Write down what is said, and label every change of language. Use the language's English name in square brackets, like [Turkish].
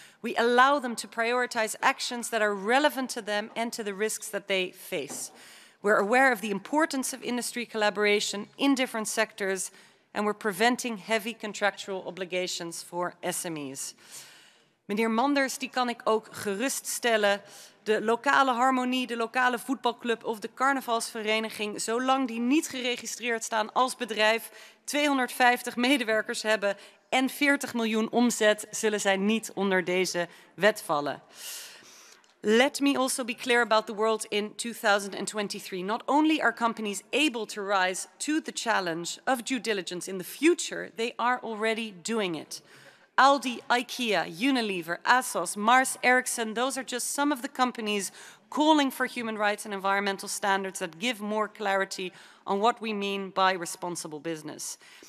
[English] We allow them to prioritize actions that are relevant to them and to the risks that they face. We're aware of the importance of industry collaboration in different sectors, and we're preventing heavy contractual obligations for SMEs. [Dutch] Meneer Manders, die kan ik ook geruststellen. De lokale harmonie, de lokale voetbalclub of de carnavalsvereniging, zolang die niet geregistreerd staan als bedrijf, 250 medewerkers hebben en 40 miljoen omzet, zullen zij niet onder deze wet vallen. [English] Let me also be clear about the world in 2023. Not only are companies able to rise to the challenge of due diligence in the future, they are already doing it. Aldi, IKEA, Unilever, ASOS, Mars, Ericsson, those are just some of the companies calling for human rights and environmental standards that give more clarity on what we mean by responsible business.